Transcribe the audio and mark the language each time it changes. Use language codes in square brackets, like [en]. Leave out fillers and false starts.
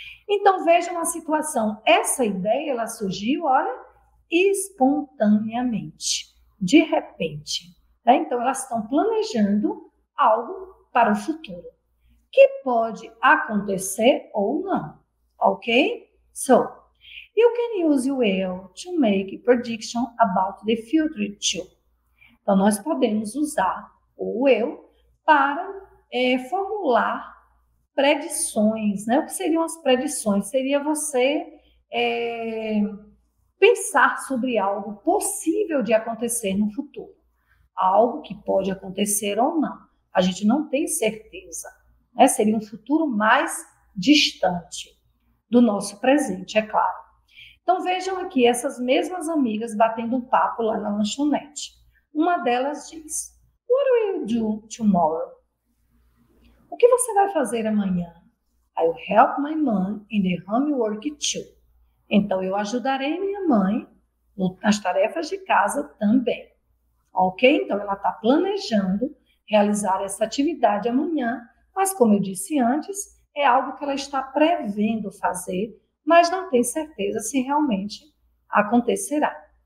[pt] Então vejam a situação. Essa ideia, ela surgiu, olha, espontaneamente, de repente. Né? Então elas estão planejando algo para o futuro, que pode acontecer ou não, ok? [en] So, you can use will to make a prediction about the future too. [pt] Então, nós podemos usar o will para formular predições, né? O que seriam as predições? Seria você pensar sobre algo possível de acontecer no futuro, algo que pode acontecer ou não. A gente não tem certeza. É, seria um futuro mais distante do nosso presente, é claro. Então vejam aqui essas mesmas amigas batendo um papo lá na lanchonete. Uma delas diz: [en] "What will you do tomorrow?" [pt] O que você vai fazer amanhã? [en] "I'll help my mom in the homework too." [pt] Então eu ajudarei minha mãe nas tarefas de casa também. Ok? Então ela está planejando realizar essa atividade amanhã. Mas, como eu disse antes, é algo que ela está prevendo fazer, mas não tem certeza se realmente acontecerá.